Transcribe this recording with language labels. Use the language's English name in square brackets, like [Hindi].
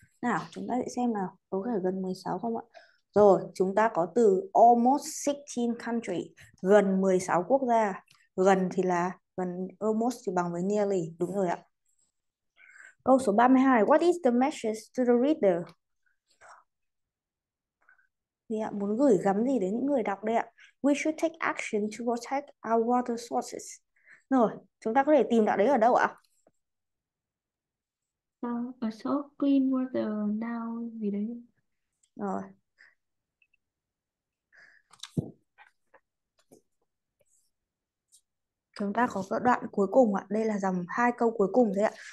[Vietnamese] Nào, chúng ta sẽ xem nào. Có phải gần 16 không ạ? Rồi, chúng ta có từ [English] almost 16 country, [Vietnamese] gần 16 quốc gia. Gần thì là gần, almost thì bằng với nearly. Đúng rồi ạ. Câu số 32. [English] What is the message to reader? [Vietnamese] Thì ạ, muốn gửi gắm gì đến những người đọc đây ạ? [English] We should take action to protect our water sources. [Vietnamese] Rồi, chúng ta có thể tìm đoạn đấy ở đâu ạ? A so clean water now gì đấy. Rồi. Chúng ta có cái đoạn cuối cùng ạ. Đây là dòng hai câu cuối cùng đấy ạ.